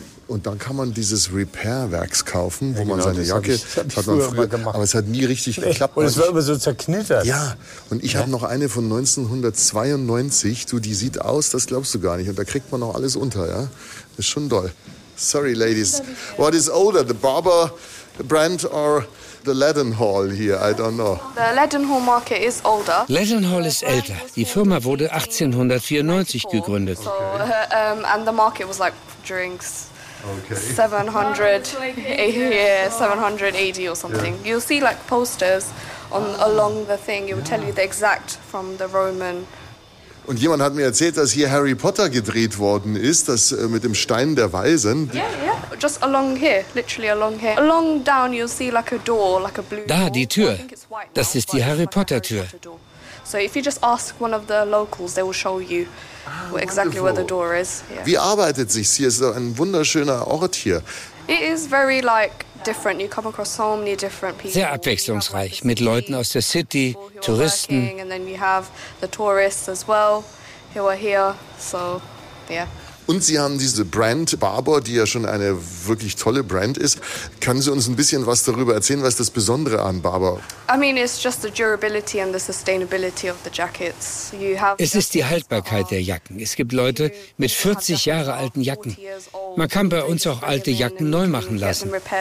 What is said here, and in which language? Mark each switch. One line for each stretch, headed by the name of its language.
German: Und dann kann man dieses Repair-Werks kaufen, wo genau, man seine Jacke hat man früher gemacht. Aber es hat nie richtig geklappt. Und es war immer so zerknittert. Ja, und ich habe noch eine von 1992. Du, die sieht aus, das glaubst du gar nicht. Und da kriegt man auch alles unter, ja. Ist schon doll.
English: Sorry, ladies. What is older, the Barber brand or the Leadenhall here? I don't know. The Leadenhall Market is older.
German: Leadenhall ist älter. Die Firma wurde 1894 gegründet.
English: So, and the market was like drinks. Okay. 780 or something. Yeah. You'll see like posters on along the thing. It will tell you the exact from the Roman.
German: Und jemand hat mir erzählt, dass hier Harry Potter gedreht worden ist, das mit dem Stein der Weisen.
English: Yeah, yeah, just along here, literally along here. Along down you'll see like a door, like a blue door.
German: Da, die Tür. Das ist die Harry Potter-Tür.
English: So if you just ask one of the locals, they will show you exactly where the door is. Yeah.
German: Wie arbeitet sich's hier? Es ist ein wunderschöner Ort hier.
English: It is very like different. You come across so many different people.
German: Sehr abwechslungsreich, mit Leuten aus der City, Touristen.
English: And then you have the tourists as well, who are here. So, yeah.
German: Und Sie haben diese Brand Barber, die ja schon eine wirklich tolle Brand ist. Können Sie uns ein bisschen was darüber erzählen, was ist das Besondere an Barber?
English: I mean, it's just the durability and the sustainability of the jackets. You have.
German: Es ist die Haltbarkeit der Jacken. Es gibt Leute mit 40 Jahre alten Jacken. Man kann bei uns auch alte Jacken neu machen lassen.